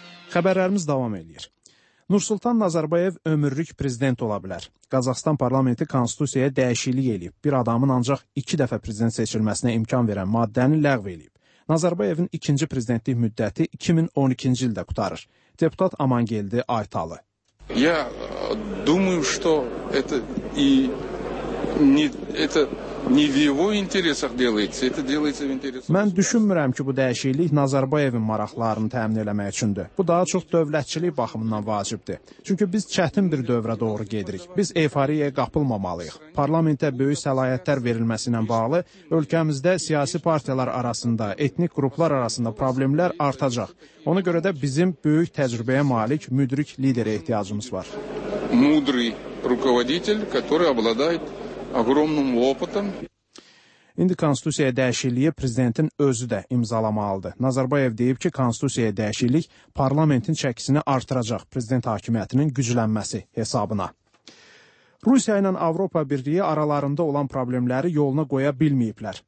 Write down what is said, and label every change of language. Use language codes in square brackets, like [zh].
[az] Xəbərlərimiz davam edir. Nursultan Nazarbayev ömürlük prezident ola bilər. Qazaxıstan parlamenti konstitusiyaya dəyişiklik eləyib. Bir adamın ancaq 2 dəfə prezident seçilməsinə imkan verən maddəni ləğv eləyib. Nazarbayevin ikinci prezidentlik müddəti 2012-ci ildə qurtarır. Deputat Amangeldi Aytalı. [ru] Я думаю, что это и не это не в его интересах делается. Это делается в интересах. [az] Мен düşünmürəm ki bu dəyişiklik Nazarbayevin maraqlarını təmin etmək üçündür. Bu daha çox dövlətçilik baxımından vacibdir. Çünki biz çətin bir dövrə doğru gedirik. Biz eyfariyəyə qapılmamalıyıq. Parlamentə böyük səlahiyyətlər verilməsi ilə bağlı ölkəmizdə siyasi partiyalar arasında, etnik qruplar arasında problemlər artacaq. Ona görə də bizim böyük təcrübəyə malik müdrik liderə ehtiyacımız var. [ru] Mudri rukovoditel, который обладает огромным опытом. [az] İndi konstitusiyaya dəyişikliyi prezidentin özü də imzalamalıdır. Nazarbayev deyib ki, konstitusiyaya dəyişiklik parlamentin çəkisini artıracaq prezident hakimiyyətinin güclənməsi hesabına. Rusiya ilə Avropa Birliyi aralarında olan problemləri yoluna qoya bilməyiblər.